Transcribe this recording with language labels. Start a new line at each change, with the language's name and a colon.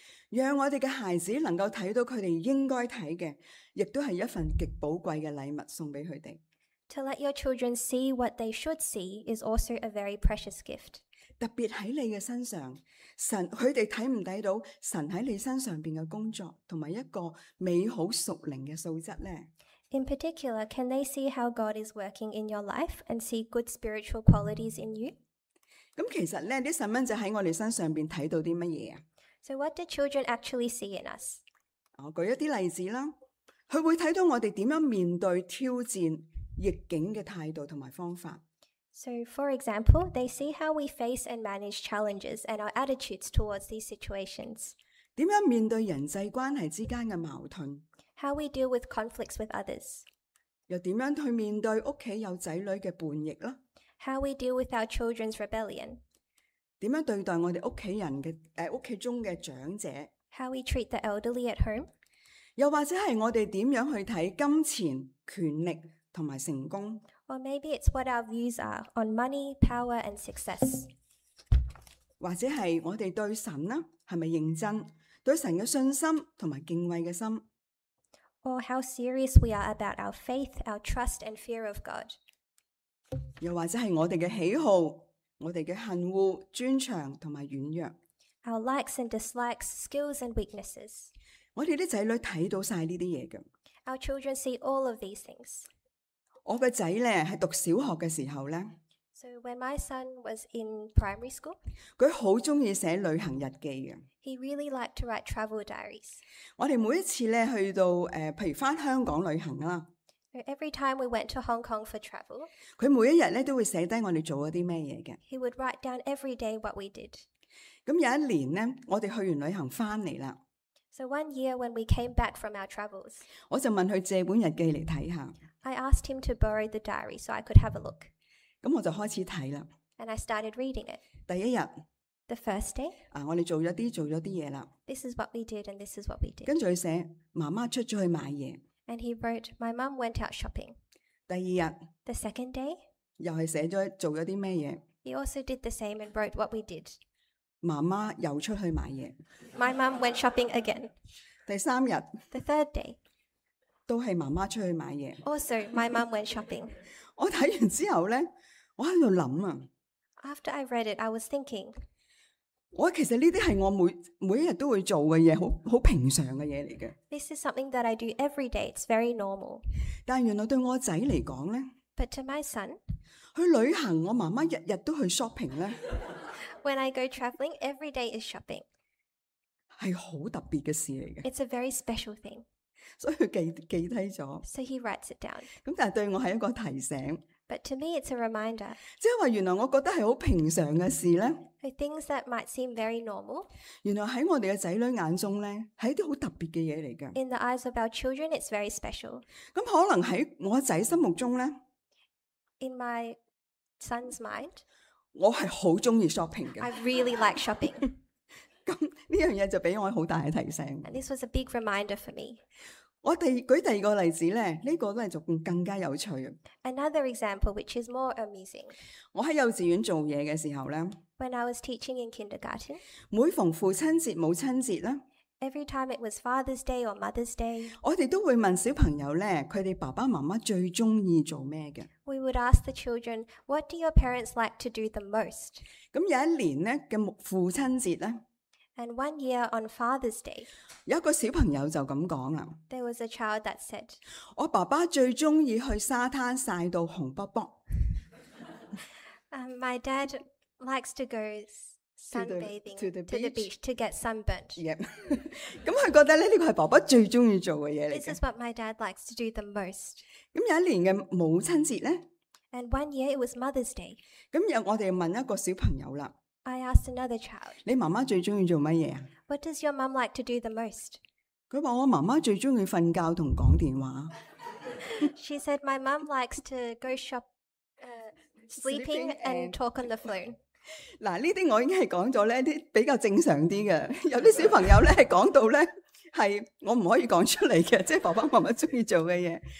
Chinese: 让我们的孩子能够看到他们应该看的，也是一份极宝贵的礼物送给他们。
English: To let your children see what they should see is also a very precious gift.
Chinese: 特别在你的身上，神他们看不到神在你身上的工作，还有一个美好属灵的素质呢？
English: In particular, can they see how God is working in your life and see good spiritual qualities in you?
Chinese: 那其实呢，这些小孩在我们身上看到什么？
English: So what do children actually see in us?
Chinese: 我举一些例子啦，他会看到我们怎样面对挑战逆境的态度和方法。
English: So, for example, they see how we face and manage challenges and our attitudes towards these situations.
Chinese: 怎样面对人际关系之间的矛盾？
English: How we deal with conflicts with others.
Chinese: 又怎样去面对屋企有仔女的叛逆？
English: How we deal with our children's rebellion.
Chinese: 怎样对待我们家人的屋企中的长者？
English: How we treat the elderly at home.
Chinese: 又或者是我们怎样去看金钱、权力和成功？
English: Or maybe it's what our views are on money, power, and success.
Chinese: 或者是我们对神呢，是不是认真，对神的信心和敬畏的心。
English: Or how serious we are about our faith, our trust, and fear of God.
Chinese: 又或者是我们的喜好，我们的恨恶、专长和软弱。
English: Our likes and dislikes, skills and weaknesses.
Chinese: 我们的子女看到这些东西。
English: Our children see all of these things.
Chinese: 我的仔咧系读小学嘅时候咧，
English: so when my son was in primary school，
Chinese: 佢好中意写旅行日记嘅。
English: He really liked to write travel diaries。
Chinese: 我哋每一次咧去到譬如翻香港旅行啦，
English: so every time we went to Hong Kong for travel，
Chinese: 佢每一日咧都会写低我哋做咗啲咩嘢嘅。
English: He would write down every day what we did。
Chinese: 咁有一年咧，我哋去完旅行翻嚟啦。
English: So one year when we came back from our travels,
Chinese: 我就问他借本日记来看看。
English: I asked him to borrow the diary so I could have a look.
Chinese: 那我就开始看了。
English: And I started reading it.
Chinese: 第一日。
English: The first day.
Chinese: 我们做了一些了。
English: This is what we did and this is what we did.
Chinese: 跟着他写，妈妈出去买东西。
English: And he wrote, my mom went out shopping.
Chinese: 第二日。
English: The second day.
Chinese: 又是写了做了什么东西。
English: He also did the same and wrote what we did.
Chinese: 妈妈又出去买嘢。
English: My mom went shopping again.
Chinese: 第三日。
English: The third day.
Chinese: 都是妈妈出去买嘢。
English: Also, my mom went shopping.
Chinese: 我看完之后呢，我在想啊。
English: After I read it, I was thinking.
Chinese: 我其实这些是我每一天都会做的事，很平常的事。
English: This is something that I do every day. It's very normal.
Chinese: 但原来对我仔来说呢。
English: But to my son.
Chinese: 去旅行，我妈妈日日都去 shopping 呢。
English: When I go traveling, every day is shopping.
Chinese: 是很特别的事来的。
English: It's a very special thing.
Chinese: 所以他记低了。
English: So he writes it down.
Chinese: 但是对我是一个提醒。
English: But to me, it's a reminder.
Chinese: 即是说原来我觉得是很平常的事呢。
English: The things that might seem very normal.
Chinese: 原来在我们的子女眼中呢，是一些很特别的事来的。
English: In the eyes of our children, it's very special.
Chinese: 那可能在我儿子心目中呢。
English: In my son's mind.
Chinese: 我是很喜欢 shopping 的。
English: I really like shopping.
Chinese: 这件事就给我很大的提醒。
English: And this was a big reminder for me.
Chinese: 我举第二个例子呢，这个呢就更加有趣。
English: Another example which is more amusing.
Chinese: 我在幼稚园做事的时候呢，
English: When I was teaching in kindergarten.
Chinese: 每逢父亲节、母亲节呢，
English: Every time it was Father's Day or Mother's Day,
Chinese: 我哋都会问小朋友咧，佢哋爸爸妈妈最中意做咩嘅。
English: We would ask the children, "What do your parents like to do the most?"
Chinese: 咁有一年咧嘅父亲节咧。
English: And one year on Father's Day,
Chinese: 有一个小朋友就咁讲啊。
English: There was a child that said,
Chinese: 我爸爸最中意去沙滩晒到红卜卜。
English: My dad likes to go sunbathing to the beach to get sunburned.
Chinese: Yep. 咁佢觉得咧呢个系爸爸最中意做嘅嘢嚟。
English: This is what my dad likes to do the most.
Chinese: 咁有一年嘅母亲节咧。
English: And one year it was Mother's Day.
Chinese: 咁又我哋问一个小朋友啦。
English: I asked another child.
Chinese: 你妈妈最中意做乜嘢啊
English: ？What does your mom like to do the most?
Chinese: 佢话我妈妈最中意瞓觉同讲电话。
English: She said my mom likes to go shop, sleeping and talk on the phone.
Chinese: 嗱，呢啲我已经系讲咗咧，啲比较正常啲嘅。有啲小朋友咧系讲到咧系我唔可以讲出嚟嘅，即系爸爸妈妈中意做嘅嘢。